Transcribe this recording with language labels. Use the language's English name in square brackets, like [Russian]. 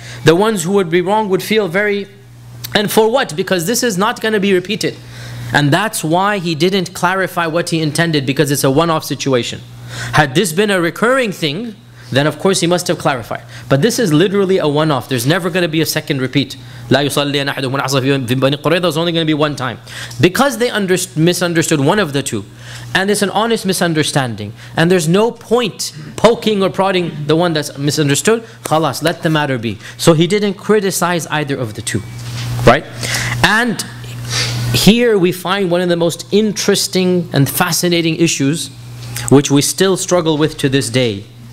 [English] The ones who would be wrong would feel very... And for what? Because this is not going to be repeated. And that's why he didn't clarify what he intended, because it's a one-off situation. Had this been a recurring thing, then of course he must have clarified. But this is literally a one-off. There's never going to be a second repeat. [Arabic] لا يصلي أحد من عصر في بني قريظة [English] is only going to be one time. Because they misunderstood one of the two, and it's an honest misunderstanding, and there's no point poking or prodding the one that's misunderstood, خلاص, let the matter be. So he didn't criticize either of the two. Right? And here we find one of the most interesting and fascinating issues which we still struggle with to this day.